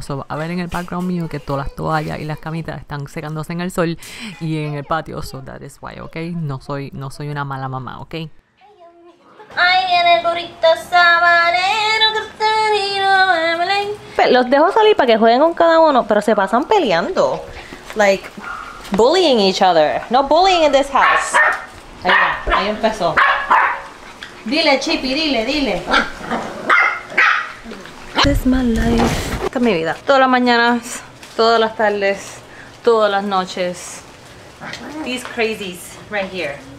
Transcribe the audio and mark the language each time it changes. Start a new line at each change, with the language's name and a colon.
Spanish: So, a ver en el background mío que todas las toallas y las camitas están secándose en el sol y en el patio.
English: So that is why,
Spanish: ok? No soy una mala mamá, ok? Ay, viene el burrito sabanero que se vino a Belén. Los dejo salir para que jueguen con cada uno, pero se pasan peleando.
English: Like, bullying each other. No bullying in this house.
Spanish: Ahí empezó. Dile, Chippy, dile.
English: This is my life.
Spanish: Esta es mi vida. Todas las mañanas, todas las tardes, todas las noches.
English: These crazies right here.